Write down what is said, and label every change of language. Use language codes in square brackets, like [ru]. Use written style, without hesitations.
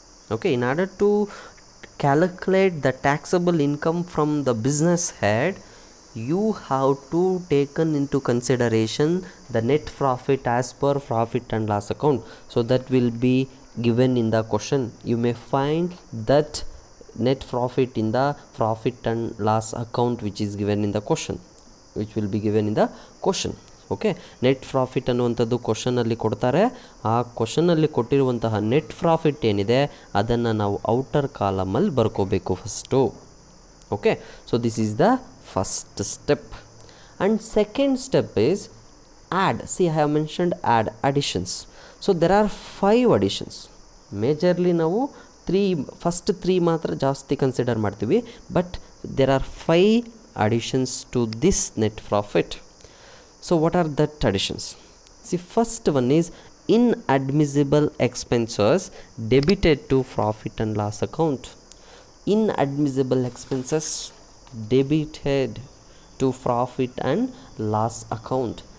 [en] Okay, in order to calculate the taxable income from the business head, you have to take into consideration the net profit as per profit and loss account. So that will be given in the question. You may find that net profit in the profit and loss account which is given in the question. Which will be given in the question. Okay, net profit [kn] ಅನ್ನುವಂಥದ್ದು ಕ್ವಶನಲ್ಲಿ ಕೊಡ್ತಾರೆ. ಆ ಕ್ವಶನಲ್ಲಿ ಕೊಟ್ಟಿರುವಂತಹ net profit ಏನಿದೆ ಅದನ್ನು ನಾವು outer ಕಾಲಮಲ್ಲಿ ಬರ್ಕೋಬೇಕು first. [en] Okay, so this is the first step. And second step is add. See, I have mentioned add additions. So there are five additions. [kn] Majorly ನಾವು first three ಮಾತ್ರ ಜಾಸ್ತಿ ಕನ್ಸಿಡರ್ ಮಾಡ್ತೀವಿ, [en] But there are five additions to this net profit. So what are the additions? See, first one is inadmissible expenses debited to profit and loss account. Inadmissible expenses debited to profit and loss account.